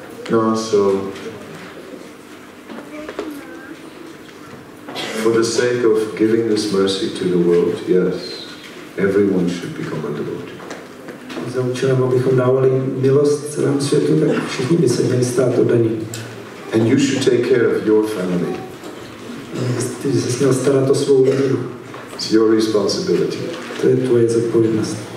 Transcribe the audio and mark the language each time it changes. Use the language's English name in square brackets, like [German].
[English] No, so for the sake of giving this mercy to the world, yes, everyone should become a devotee. [Czech] Za účelem, abychom dávali milost celému světu, tak všichni by se měli stát oddaní. [English] And you should take care of your family. [Czech] Ty se měl starat o svou rodinu. [English] It's your responsibility. [Czech] To je tvoje zodpovědnost.